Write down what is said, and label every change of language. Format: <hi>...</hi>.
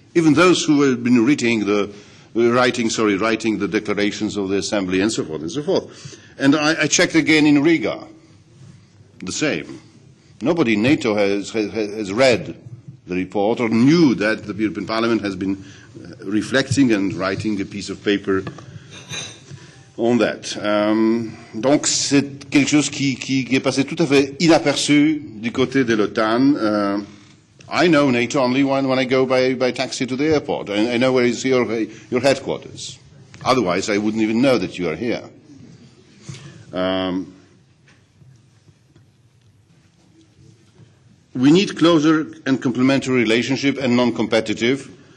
<en>Even those who have been writing the declarations of the Assembly and so forth and so forth. And I checked again in Riga. The same. Nobody in NATO has read the report or knew that the European Parliament has been reflecting and writing a piece of paper on that.</en> <fr>Donc c'est quelque chose qui est passé tout à fait inaperçu du côté de l'OTAN.</fr> <en>I know NATO only when I go by taxi to the airport. I know where is your headquarters. Otherwise, I wouldn't even know that you are here. We need closer and complementary relationship and non-competitive.</en>